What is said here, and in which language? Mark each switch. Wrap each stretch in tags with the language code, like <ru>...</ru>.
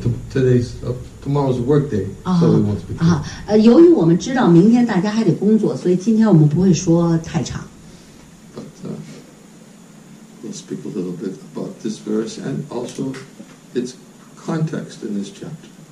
<en>Today's tomorrow's a work day, so we won't speak.</en> <zh>由于我们知道明天大家还得工作，所以今天我们不会说太长。</zh> <en>We'll speak a little bit about this verse and also its context in this chapter.</en>